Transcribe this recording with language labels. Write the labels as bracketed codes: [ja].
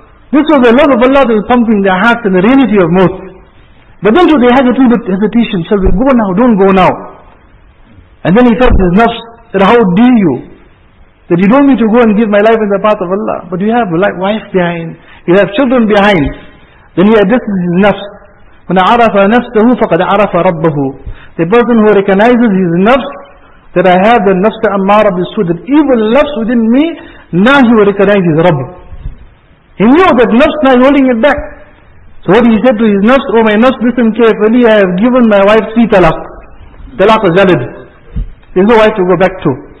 [en] This was the love of Allah that was pumping their hearts and the reality of most. But then they had a little bit of hesitation, shall we go now, don't go now. And then he felt his nafs, that how dare you, that you don't need to go and give my life in the path of Allah, but you have a wife behind, you have children behind. Then he addresses his nafs. When [ar] عَرَفَ نَفْسَهُ فَقَدْ عَرَفَ رَبَّهُ. [en] The person who recognizes his nafs, that I have the nafs ammara bisu, that evil nafs within me, now he will recognize his Rabb. He knew that nafs now is holding it back. So what he said to his nafs, oh my nafs, listen carefully, I have given my wife 3 talaq. Talaq is valid. There is no wife to go back to.